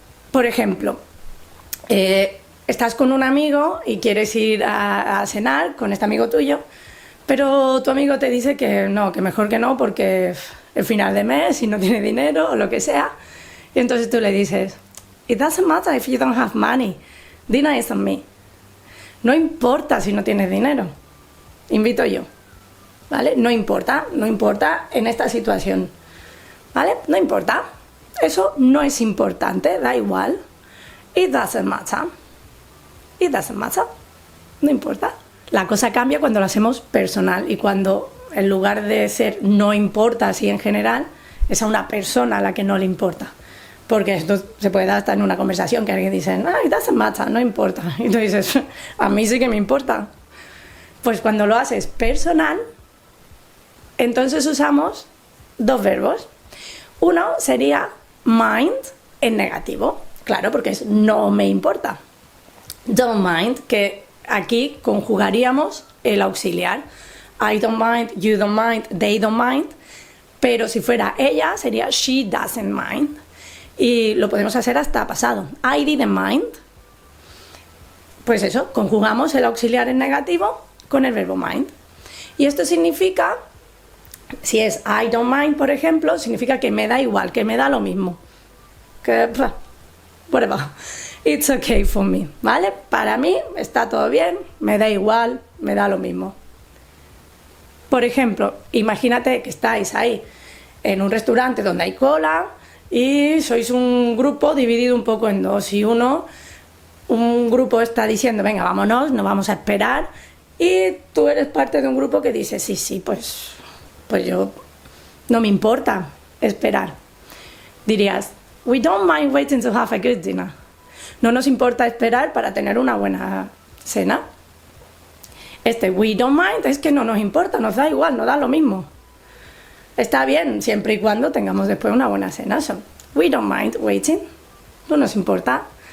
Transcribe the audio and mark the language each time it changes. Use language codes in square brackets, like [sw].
[es] Por ejemplo, estás con un amigo y quieres ir a cenar con este amigo tuyo, pero tu amigo te dice que no, que mejor que no, porque es final de mes y no tiene dinero o lo que sea. Y entonces tú le dices, [en] it doesn't matter if you don't have money, dinner is on me. [es] No importa si no tienes dinero, invito yo. ¿Vale? No importa, no importa en esta situación. ¿Vale? No importa. Eso no es importante, da igual. [en] It doesn't matter. It doesn't matter. [es] No importa. La cosa cambia cuando lo hacemos personal y cuando en lugar de ser no importa así en general, es a una persona a la que no le importa. Porque esto se puede dar hasta en una conversación que alguien dice, ah, [en] it doesn't matter, [es] no importa. Y tú dices, a mí sí que me importa. Pues cuando lo haces personal, entonces usamos dos verbos. Uno sería mind en negativo, claro, porque es no me importa. [en] Don't mind, [es] que aquí conjugaríamos el auxiliar. [en] I don't mind, you don't mind, they don't mind. [es] Pero si fuera ella, sería [en] she doesn't mind. [es] Y lo podemos hacer hasta pasado. [en] I didn't mind. [es] Pues eso, conjugamos el auxiliar en negativo con el verbo mind. Y esto significa, si es [en] I don't mind, [es] por ejemplo, significa que me da igual, que me da lo mismo. Que, [en] whatever. It's okay for me, [es] ¿vale? Para mí está todo bien, me da igual, me da lo mismo. Por ejemplo, imagínate que estáis ahí en un restaurante donde hay cola y sois un grupo dividido un poco en dos. Y uno, un grupo está diciendo, venga, vámonos, no vamos a esperar. Y tú eres parte de un grupo que dice, sí, sí, pues yo no me importa esperar. Dirías, [en] we don't mind waiting to have a good dinner. [es] No nos importa esperar para tener una buena cena. Este [en] we don't mind [es] es que no nos importa, nos da igual, nos da lo mismo. Está bien siempre y cuando tengamos después una buena cena. [en] So, we don't mind waiting. [es] No nos importa.